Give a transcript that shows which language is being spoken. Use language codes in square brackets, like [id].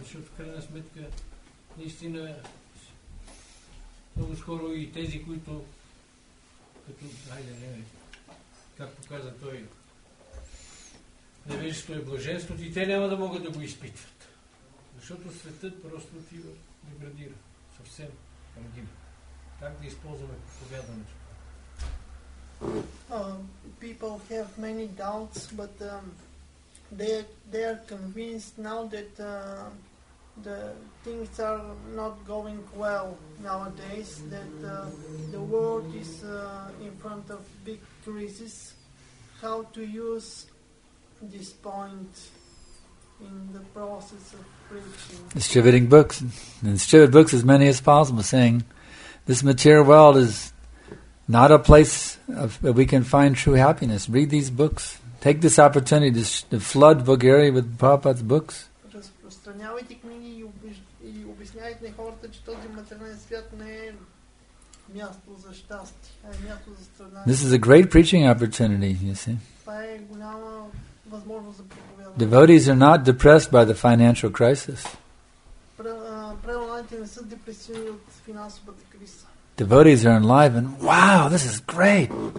[bg] Защото в крайна сметка наистина много скоро и тези, които като, айде, не, както каза той, невежеството е блаженството и те няма да могат да го изпитват. Защото светът просто отива и градира. Съвсем градим. Как да използваме проповядането? [en] People have many doubts, but they are convinced now that the things are not going well nowadays, that the world is in front of big crisis. How to use this point in the process of preaching? Distributing books. And distribute books as many as possible, saying this material world is not a place of, that we can find true happiness. Read these books. Take this opportunity to flood Bulgaria with Prabhupada's books. [bg] Разпространявайте книги и обясняйте на хората, че този материален свят не е място за щастие, а е място за страдание. [en] This is a great preaching opportunity, you see. [bg] Това е голяма възможност за проповядване. [en] Devotees are not depressed by the financial crisis. [bg] Преланите не са депресирани от финансовата криза. [en] Devotees are enlivened. Wow, this is great.